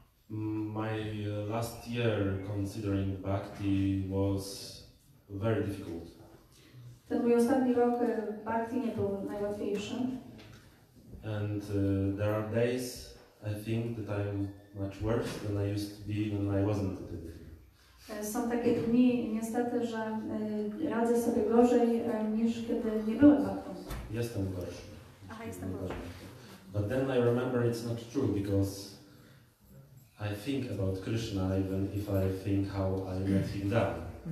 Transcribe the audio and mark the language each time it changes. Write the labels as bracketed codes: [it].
[en] My last year considering Bhakti was very difficult. [pl] Ten mój ostatni rok Bhakti nie był najłatwiejszy. [en] And there are days I think that I'm much worse than I used to be when I wasn't at it. [pl] Są takie dni niestety, że radzę sobie gorzej niż kiedy nie byłem Bhaktą. Jestem gorszy. Aha, jestem gorszy. [en] But then I remember it's not true because I think about Krishna even if I think how I let him down.